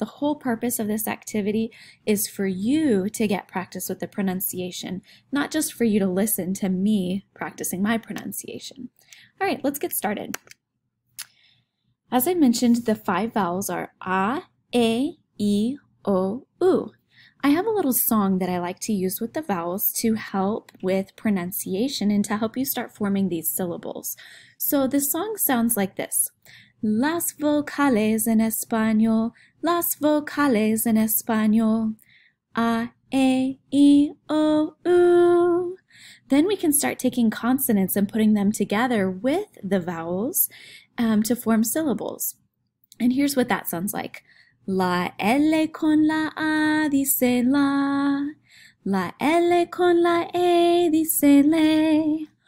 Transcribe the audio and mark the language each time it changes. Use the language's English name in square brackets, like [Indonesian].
[English] The whole purpose of this activity is for you to get practice with the pronunciation, not just for you to listen to me practicing my pronunciation. All right, let's get started. As I mentioned, the five vowels are A, E, I, O, U. I have a little song that I like to use with the vowels to help with pronunciation and to help you start forming these syllables. So the song sounds like this. [Spanish] Las vocales en español, las vocales en español. A, E, I, O, U. [English] Then we can start taking consonants and putting them together with the vowels to form syllables. And here's what that sounds like. [Spanish] La L con la A dice la. La L con la E dice le.